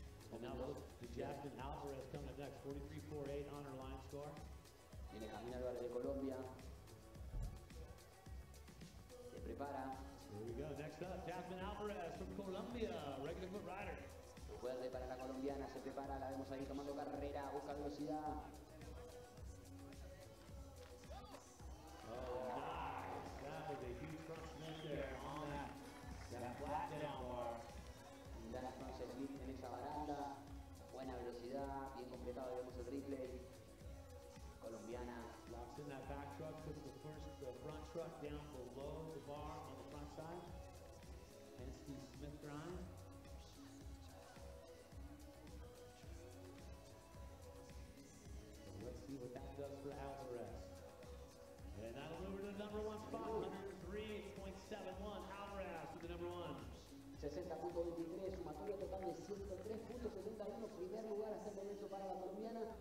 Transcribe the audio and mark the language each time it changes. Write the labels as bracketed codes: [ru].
[es] Viene Jasmine Alvarez de Colombia. Se prepara. [en] Here we go. Next up, Jasmine Alvarez from Colombia, regular foot rider. [es] Fuerte para la colombiana, se prepara, la vemos ahí tomando carrera, busca velocidad. [en] Oh, nice. That was a huge front smith there on that. Got a flat down bar. [es] Dana Frances Smith en esa baranda, buena velocidad, bien completado, vemos el replay. Colombiana. [en] Locks in that back truck, puts the first the front truck down below the bar on the front side. Hensky Smith grind. So let's see what that does for Alvarez. And that'll move to the number one spot, 103.71 Alvarez for the number one. [es] 60.23, sumatoria total de 103.71, primer lugar hasta el momento para la colombiana.